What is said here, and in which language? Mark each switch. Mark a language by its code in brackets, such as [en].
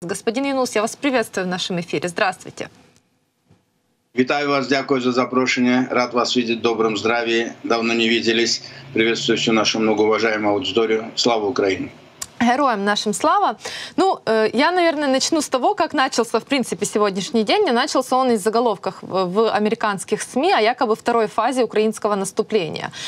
[ru] Господин Юнус, я вас приветствую в нашем эфире. Здравствуйте. [uk] Вітаю вас, дякую за запрошення. [ru] Рад вас видеть в добром здравии. Давно не виделись. Приветствую всю нашу многоуважаемую аудиторию. Слава Украине! Героям нашим слава. Ну, я, наверное, начну с того, как начался, в принципе, сегодняшний день. Начался он из заголовков в американских СМИ о якобы второй фазе украинского наступления.